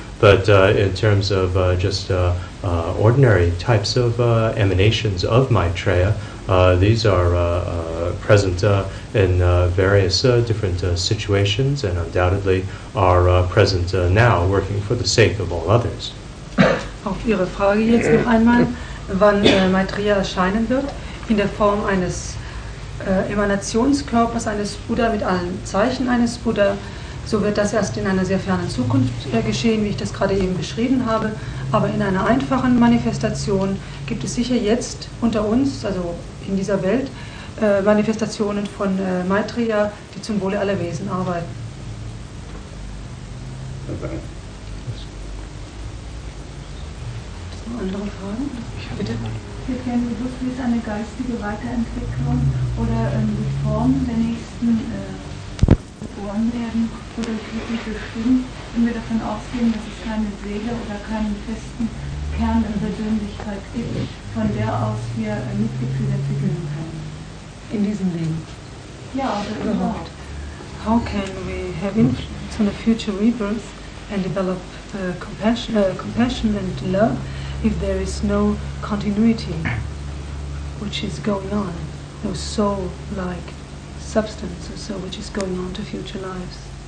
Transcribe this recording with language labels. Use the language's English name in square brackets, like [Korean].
[English] But in terms of just ordinary types of emanations of Maitreya, these are present in various different situations, and undoubtedly are present now, working for the sake of all others. [German] Auf Ihre Frage jetzt noch einmal, wann Maitreya erscheinen wird, in der Form eines Emanationskörpers eines Buddha mit allen Zeichen eines Buddha, so wird das erst in einer sehr fernen Zukunft geschehen, wie ich das gerade eben beschrieben habe. Aber in einer einfachen Manifestation gibt es sicher jetzt unter uns, also in dieser Welt, Manifestationen von Maitreya, die zum Wohle aller Wesen arbeiten. Okay. Noch andere Fragen? Bitte. Wir kennen bewusst eine geistige Weiterentwicklung oder die Form der nächsten geboren werden oder wirklich bestimmt, wenn wir davon ausgehen, dass es keine Seele oder keinen festen Kern in Persönlichkeit gibt, von der aus wir Mitgefühl entwickeln können. In diesem Leben? Ja, aber überhaupt. [English] How can we have influence on a future rebirth and develop compassion and love if there is no continuity which is going on, no soul-like substance or so which is going on to future lives?